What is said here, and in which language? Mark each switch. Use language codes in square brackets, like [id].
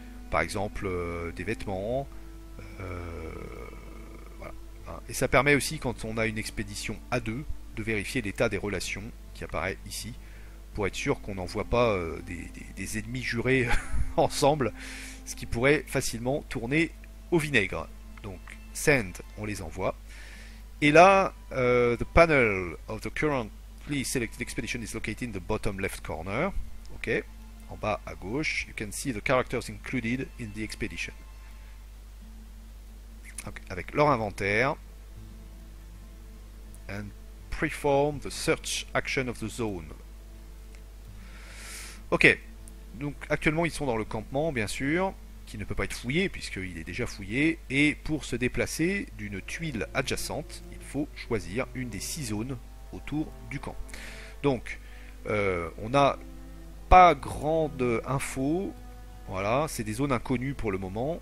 [fr] Par exemple, des vêtements. Voilà. Et ça permet aussi, quand on a une expédition à deux, de vérifier l'état des relations qui apparaît ici, pour être sûr qu'on n'envoie pas des ennemis jurés ensemble, ce qui pourrait facilement tourner au vinaigre. Donc, send, on les envoie. Et là, [en] the panel of the currently selected expedition is located in the bottom left corner. Ok, [fr] en bas à gauche, [en] you can see the characters included in the expedition. [fr] Okay. Avec leur inventaire. [en] And perform the search action of the zone. [fr] Ok, donc actuellement ils sont dans le campement, bien sûr. Qui ne peut pas être fouillé puisqu'il est déjà fouillé, et pour se déplacer d'une tuile adjacente, il faut choisir une des 6 zones autour du camp. Donc, on n'a pas grande info, voilà, c'est des zones inconnues pour le moment.